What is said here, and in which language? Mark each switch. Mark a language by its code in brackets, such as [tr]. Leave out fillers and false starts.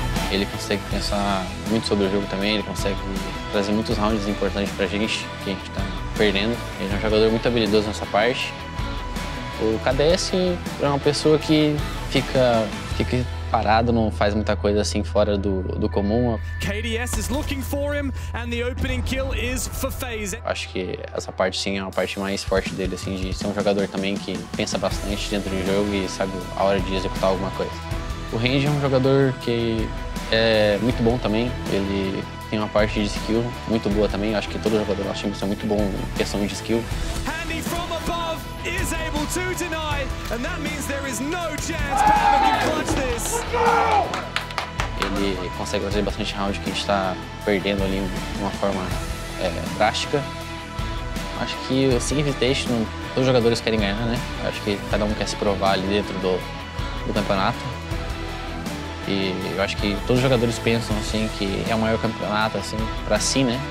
[pt] Ele consegue pensar muito sobre o jogo também, ele consegue trazer muitos rounds importantes pra gente, que a gente tá perdendo. Ele é um jogador muito habilidoso nessa parte. O KDS é uma pessoa que fica parado, não faz muita coisa assim fora do comum. [en] KDS is looking for him and the opening kill is for FaZe. [pt] Acho que essa parte sim é a parte mais forte dele, assim, de ser um jogador também que pensa bastante dentro do jogo e sabe a hora de executar alguma coisa. O Range é um jogador que é muito bom também, ele tem uma parte de skill muito boa também. Acho que todo jogador do nosso time é muito bom em questão de skill. [en] Handy from above is able to deny and that means there is no chance Pavan can clutch this. [pt] Ele consegue fazer bastante round que a gente tá perdendo ali de uma forma drástica. Acho que o Invitation, todos os jogadores querem ganhar, né? Acho que cada um quer se provar ali dentro do campeonato. E eu acho que todos os jogadores pensam assim que é o maior campeonato assim para si, né?